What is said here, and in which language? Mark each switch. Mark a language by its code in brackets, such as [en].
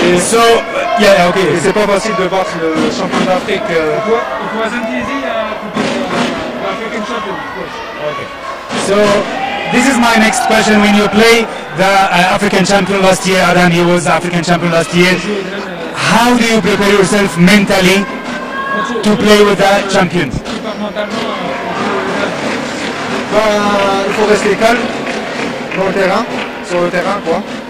[fr] C'est pas facile de battre le champion d'Afrique. [en] It wasn't easy to beat the African champion, of course. Okay. So, this is my next question. When you play the African champion last year, Adam, he was the African champion last year. How do you prepare yourself mentally to play with that champion? [fr] Il faut rester calme dans le terrain, sur le terrain, quoi.